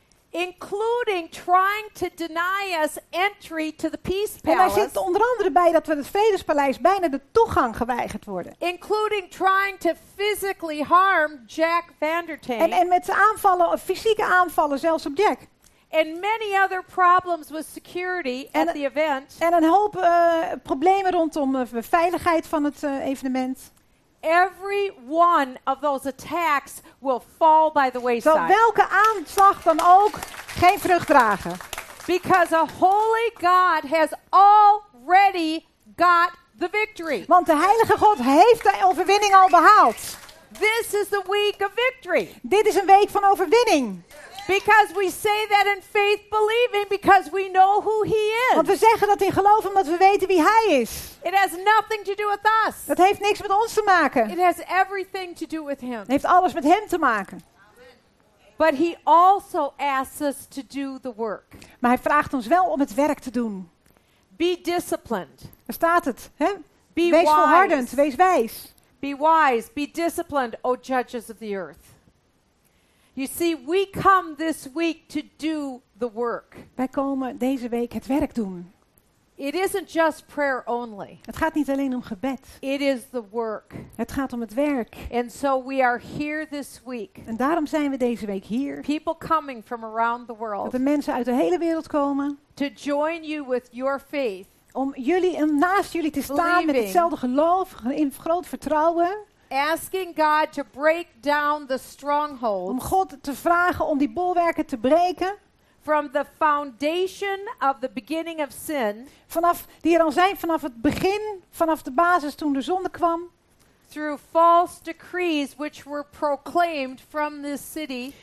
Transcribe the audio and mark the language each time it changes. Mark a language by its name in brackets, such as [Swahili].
[English] including trying to deny us entry to the peace palace, [Dutch] en daar zit onder andere bij dat we het Vredespaleis bijna de toegang geweigerd worden, [English] including trying to physically harm Jack Vandertain, [Dutch] en met aanvallen, fysieke aanvallen zelfs op Jack. [English] And many other problems with security at the event. [Dutch] En een hoop problemen rondom de veiligheid van het evenement. [English] Every one of those attacks will fall by the wayside. [Dutch] Zal welke aanslag dan ook geen vrucht dragen. [English] Because a holy God has already got the victory. [Dutch] Want de Heilige God heeft de overwinning al behaald. [English] This is the week of victory. [Dutch] Dit is een week van overwinning. [English] Because we say that in faith, believing, because we know who He is. [Dutch] Want we zeggen dat in geloof omdat we weten wie Hij is. [English] It has nothing to do with us. [Dutch] Dat heeft niks met ons te maken. [English] It has everything to do with Him. [Dutch] Het heeft alles met Hem te maken. [English] But He also asks us to do the work. [Dutch] Maar Hij vraagt ons wel om het werk te doen. [English] Be disciplined. [Dutch] Daar staat het, hè? Wees volhardend, wees wijs. [English] Be wise, be disciplined, O judges of the earth. You see, we come this week to do the work. [Dutch] Wij komen deze week het werk doen. [English] It isn't just prayer only. [Dutch] Het gaat niet alleen om gebed. [English] It is the work. [Dutch] Het gaat om het werk. [English] And so we are here this week. [Dutch] En daarom zijn we deze week hier. [English] People coming from around the world. [Dutch] Dat de mensen uit de hele wereld komen. [English] To join you with your faith. [Dutch] Om jullie en naast jullie te staan met hetzelfde geloof, in groot vertrouwen. [English] Asking God to break down the strongholds. [Dutch] Om God te vragen om die bolwerken te breken. [English] From the foundation of the beginning of sin. [Dutch] Vanaf die er al zijn, vanaf het begin, vanaf de basis toen de zonde kwam. [English] Through false decrees which were proclaimed from this city.